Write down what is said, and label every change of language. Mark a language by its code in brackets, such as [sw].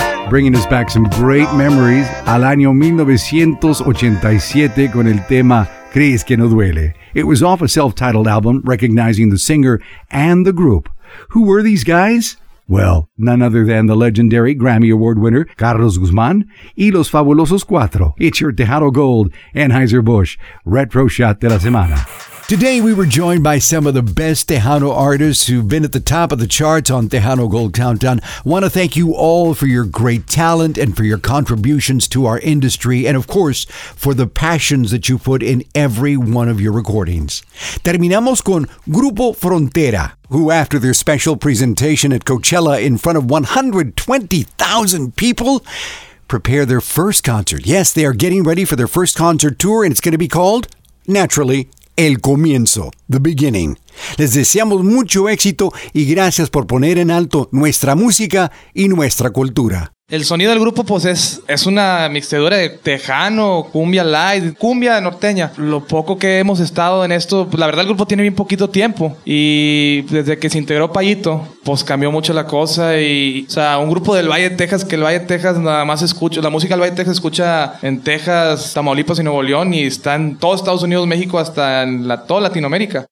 [en] Bringing us back some great memories [es] al año 1987 con el tema ¿Crees que no duele? [en] It was off a self-titled album recognizing the singer and the group. Who were these guys? Well, none other than the legendary Grammy Award winner Carlos Guzmán y los Fabulosos Cuatro. It's your Tejano Gold, Anheuser-Busch, Retro Shot de la Semana. Today we were joined by some of the best Tejano artists who've been at the top of the charts on Tejano Gold Countdown. Want to thank you all for your great talent and for your contributions to our industry, and of course, for the passions that you put in every one of your recordings. [es] Terminamos con [en] Grupo Frontera, who after their special presentation at Coachella in front of 120,000 people, prepare their first concert. Yes, they are getting ready for their first concert tour, and it's going to be called, naturally, El Comienzo, The Beginning. [es] Les deseamos mucho éxito y gracias por poner en alto nuestra música y nuestra cultura. El sonido del grupo pues es una mixtura de tejano, cumbia light, cumbia norteña. Lo poco que hemos estado en esto, pues, la verdad el grupo tiene bien poquito tiempo y desde que se integró Payito, pues cambió mucho la cosa y, o sea, un grupo del Valle de Texas, que el Valle de Texas nada más escucha, la música del Valle de Texas escucha en Texas, Tamaulipas y Nuevo León y está en todo Estados Unidos, México, hasta en la, toda Latinoamérica.